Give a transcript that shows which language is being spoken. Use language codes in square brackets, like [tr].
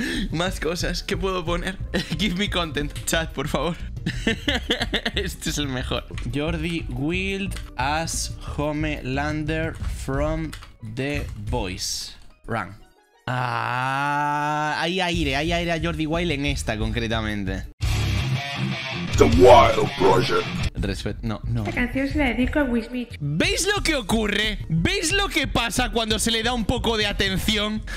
[es] Más cosas que puedo poner. [en] Give me content, chat, [es] por favor. Este es el mejor. [en] Jordi Wild as Homelander from The Voice. Run. [es] Ah, hay aire a Jordi Wild en esta concretamente. The Wild Project. Respeto, no, no. Esta canción se la dedico a Wismich. ¿Veis lo que ocurre? ¿Veis lo que pasa cuando se le da un poco de atención?